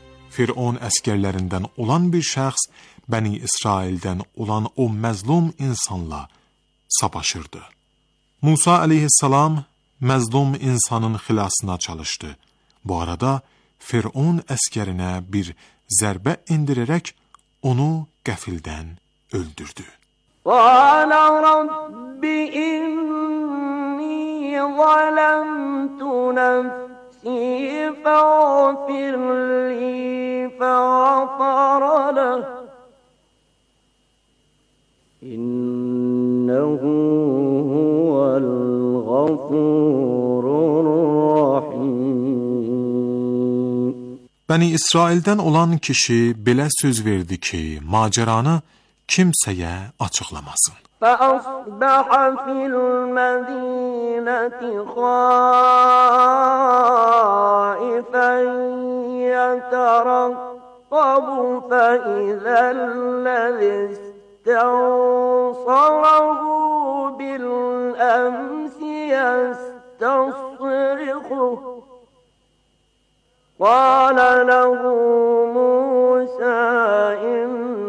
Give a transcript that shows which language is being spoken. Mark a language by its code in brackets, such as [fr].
[az] Firon əskərlərindən olan bir şəxs Bəni İsraildən olan o məzlum insanla sapaşırdı. Musa əleyhissalam məzlum insanın xilasına çalışdı. Bu arada Firon əskərinə bir zərbə indirərək onu qəfildən öldürdü. [ar] قال رب إني ظلمت نفسي فاغفر لي فغفر له إنه هو الغفور الرحيم. [az] بني إسرائيل'den olan kişi belə söz verdi ki, maceranı kimsəyə açıqlamasın. [ar] فأصبح في المدينة خائفا يترقب فإذا الذي استنصره بالأمس يستصرخه قال له موسى إن